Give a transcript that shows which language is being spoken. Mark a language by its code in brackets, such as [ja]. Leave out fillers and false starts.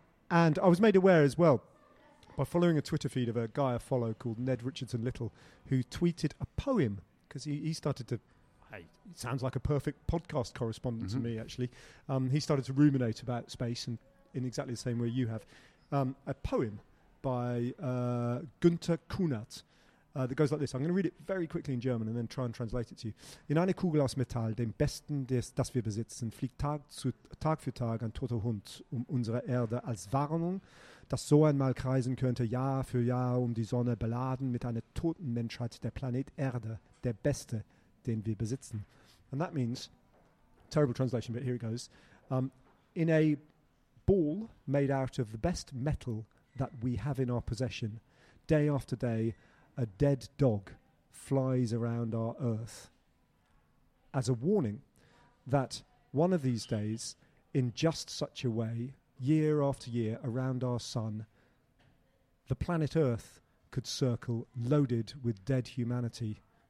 [en] And I was made aware as well by following a Twitter feed of a guy I follow called Ned Richardson Little, who tweeted a poem, because he started to... It sounds like a perfect podcast correspondent mm-hmm. to me, actually. He started to ruminate about space and in exactly the same way you have. A poem by Günter Kunert. That goes like this. I'm going to read it very quickly in German and then try and translate it to you. [de] In eine Kugel aus Metall, dem besten, das wir besitzen, fliegt Tag für Tag ein toter Hund unsere Erde als Warnung, dass so einmal kreisen könnte, Jahr für Jahr die Sonne beladen mit einer toten Menschheit, der Planet Erde, der beste, den wir besitzen. [en] And that means, terrible translation, but here it goes, in a ball made out of the best metal that we have in our possession, day after day, a dead dog flies around our Earth as a warning that one of these days, in just such a way, year after year, around our sun, the planet Earth could circle loaded with dead humanity.